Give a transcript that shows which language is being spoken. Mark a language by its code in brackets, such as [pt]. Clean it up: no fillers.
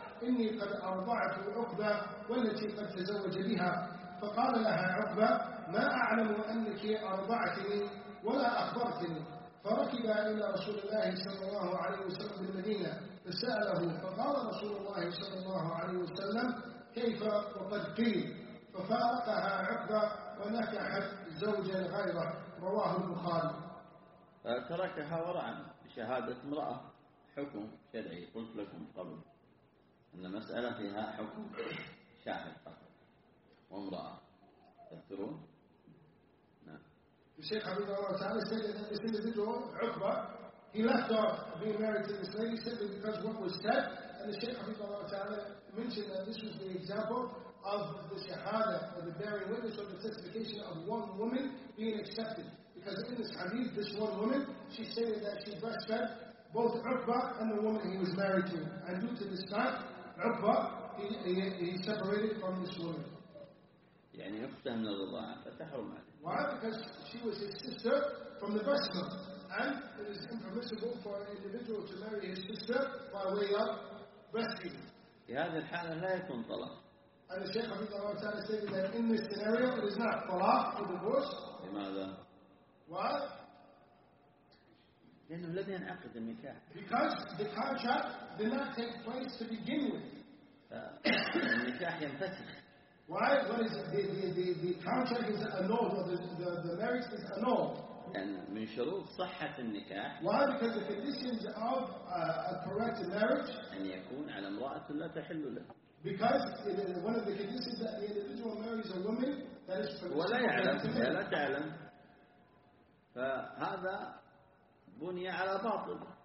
[ar] إني قد أرضعت عقبة والتي قد تزوج بها فقال لها عقبة ما أعلم أنك أرضعتني ولا أخبرتني فركب إلى رسول الله صلى الله عليه وسلم بالمدينة فسأله فقال رسول الله صلى الله عليه وسلم كيف وقد قيل ففارقها عقبة ونكحت زوجا غيره رواه البخاري. تركها ورعا بشهادة امرأة حكم شرعي، قلت لكم قبل أن مسألة فيها حكم شاهد فقط وامرأة تذكرون. نعم. [en] الشيخ حبيب الله تعالى said that this individual عقبة he left off being married to this lady simply because what was said, and the Shaykh حبيب الله تعالى mentioned that this was the example of the shahada, or the bearing witness, or the certification of one woman being accepted. Because in this hadith, this one woman, she stated that she breastfed both Uqba and the woman he was married to. And due to this fact, Uqba, he separated from this woman. [ar] يعني أختها من الرضاعة فتحرم عليه. [en] Why? Because she was his sister from the breast milk. And it is impermissible for an individual to marry his sister by way of breastfeeding. [ar] في هذه الحالة لا يكون طلاق. [en] And the Shaykh Habib Allah Ta'ala said that in this scenario it is not talaq or divorce. [ar] لماذا? [en] Why? [ar] لأنه لم ينعقد النكاح. [en] Because the contract did not take place to begin with. [ar] النكاح ينفسخ. [en] Why? What is the contract is annulled or the marriage is annulled. [ar] لأن من شروط صحة النكاح. [en] Why? Because the conditions of a correct marriage. [ar] أن يكون على امرأة لا تحل له. [en] Because one of the conditions that the individual marries a woman that is [ar] ولا يعلم هي لا تعلم فهذا بني على باطل.